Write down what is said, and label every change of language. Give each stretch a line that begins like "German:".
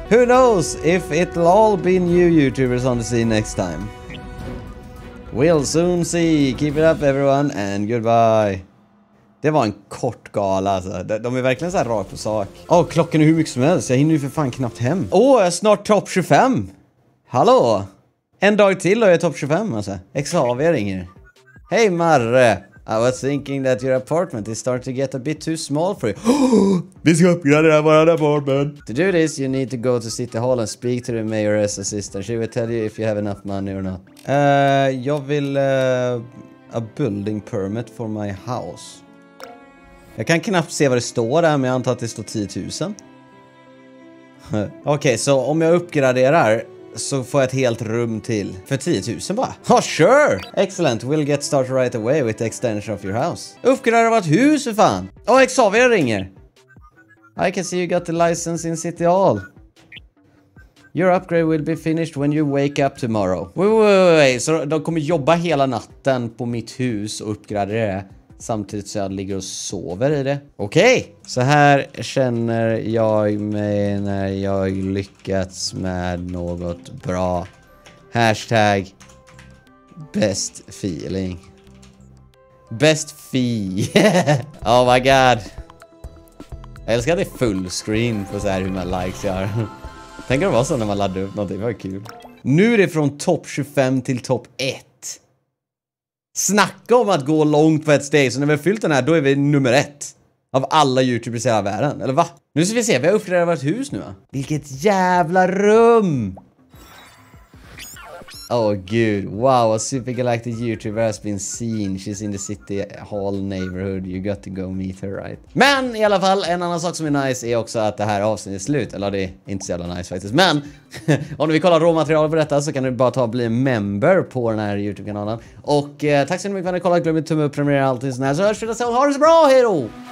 English: Who knows if it'll all be new YouTubers on the scene next time. We'll soon see. Keep it up everyone and goodbye.
Swedish: Det var en kort gala alltså. De är verkligen så här rakt på sak. Åh, klockan är hur mycket som helst. Jag hinner ju för fan knappt hem. Åh, jag är snart topp 25. Hallå. En dag till och jag är topp 25 alltså. Exavier ringer. Hej Marre.
English: I was thinking that your apartment is starting to get a bit too small for you.
Swedish: Vi ska uppgradera våran apartment.
English: To do this you need to go to City Hall and speak to the mayor's assistant. She will tell you if you have enough money or not.
Swedish: Jag vill
English: a building permit for my house.
Swedish: Jag kan knappt se vad det står där, men jag antar att det står 10 000. Okej, så om jag uppgraderar så får jag ett helt rum till. För 10 000 bara. Ja,
English: oh, sure! Excellent, we'll get started right away with the extension of your house.
Swedish: Uppgradera vårt hus, för fan! Åh, oh, Xavier ringer!
English: I can see you got the license in City Hall. Your upgrade will be finished when you wake up tomorrow. Wait, wait, wait,
Swedish: wait. Så de kommer jobba hela natten på mitt hus och uppgradera det. samtidigt som jag ligger och sover i det. Okej!
English: Okay.
Swedish: Så här känner jag mig när jag lyckats med något bra.
English: Hashtag best feeling. Best feel. Oh my god.
Swedish: Jag älskar att det är full screen på så här hur man likes gör. Tänker det vara så när man laddar upp någonting. Vad kul. Nu är det från topp 25 till topp 1. Snacka om att gå långt på ett steg. Så när vi har fyllt den här, då är vi nummer 1. Av alla YouTubers i hela världen. Eller va? Nu ska vi se. Vi har uppgraderat vårt hus nu. Vilket jävla rum.
English: Åh oh, gud, wow, a supergalactic YouTuber has been seen. She's in the city hall neighborhood. You got to go meet her, right?
Swedish: Men i alla fall, en annan sak som är nice är också att det här avsnittet är slut. Eller det är inte så jävla nice faktiskt. Men om du vill kolla råmaterial på detta så kan du bara ta och bli en member på den här YouTube-kanalen. Och tack så mycket för att du kollade. Glöm inte att tumma upp, prenumerera och allting sånt här. Så hörs vi nästa gång. Ha det så bra, hej då!